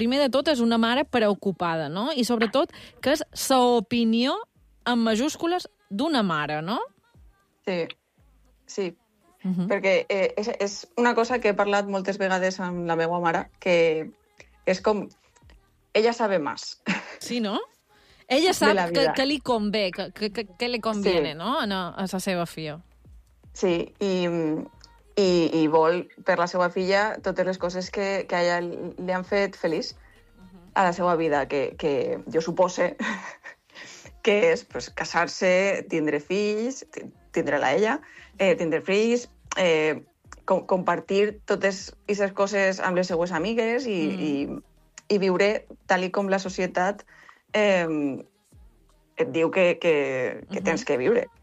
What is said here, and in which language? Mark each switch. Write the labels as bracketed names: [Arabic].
[Catalan] Primer de tot, és una mare preocupada, no? I sobretot, que és sa opinió en majúscules d'una mare, no? Sí, sí. Uh-huh. Perquè és una cosa que he parlat moltes vegades amb la meva mare, que és com... [Spanish] Ella sabe más. [Catalan] Sí, no? Ella sap que li convé, que li [Spanish] conviene, [Catalan] sí. No? A sa seva filla. Sí, i vol per la seva filla totes les coses que a ella li han fet feliç a la seva vida, que jo supose que és pues, casar-se, tindre fills, tindre-la ella, tindre fills, compartir totes aquestes coses amb les seues amigues i viure tal com la societat et diu que tens que viure.